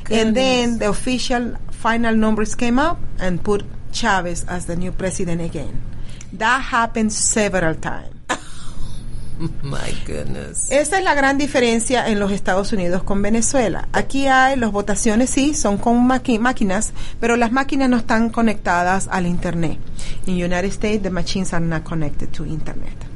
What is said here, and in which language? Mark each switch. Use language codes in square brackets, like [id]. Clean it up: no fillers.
[en] And then the official final numbers came up and put Chavez as the new president again. That happened several times. My goodness. [es] Esa es la gran diferencia en los Estados Unidos con Venezuela. Aquí hay las votaciones, sí, son con máquinas, pero las máquinas no están conectadas al internet. [en] In the United States, the machines are not connected to internet.